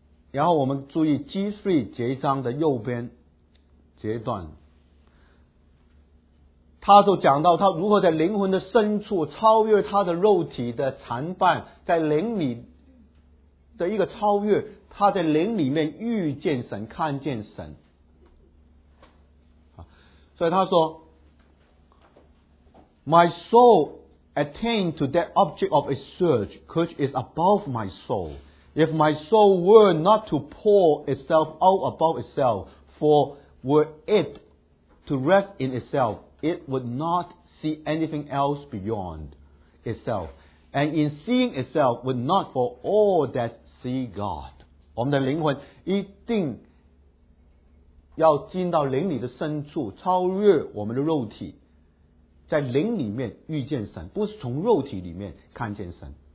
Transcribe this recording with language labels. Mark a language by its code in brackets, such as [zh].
[zh] 然后我们注意 G3 节章的右边节段，他就讲到他如何在灵魂的深处超越他的肉体的残绊，在灵里的一个超越，他在灵里面遇见神看见神。所以他说 [en] My soul attained to that object of its search, which is above my soul. If my soul were not to pour itself out above itself, for were it to rest in itself, it would not see anything else beyond itself. And in seeing itself, would not for all that see God. [zh] 我们的灵魂一定要进到灵里的深处，超越我们的肉体，在灵里面遇见神，不是从肉体里面看见神。